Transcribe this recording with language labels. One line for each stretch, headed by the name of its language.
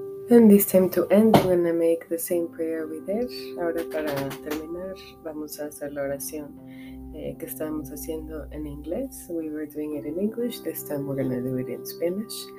English: And this time to end, we're going to make the same prayer we did.
Spanish: Ahora para terminar, vamos a hacer la oración que estamos haciendo en inglés.
English: We were doing it in English. This time we're going to do it in Spanish.